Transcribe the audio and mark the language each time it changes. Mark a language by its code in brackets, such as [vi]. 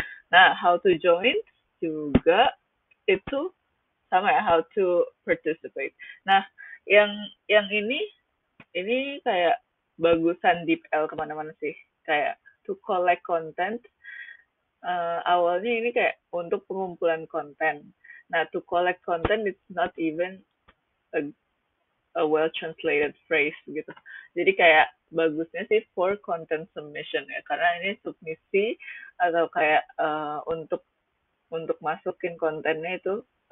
[en] Nah, how to join [id] juga, itu sama ya, [en] how to participate. [id] Nah, yang ini kayak bagusan DeepL kemana-mana sih, kayak [en] to collect content. [id] Awalnya ini kayak untuk pengumpulan konten. [en] Nah, to collect content, it's not even a well-translated phrase, gitu. [id] Jadi kayak bagusnya sih [en] for content submission, [id] ya. Karena ini submisi atau kayak untuk masukin kontennya itu.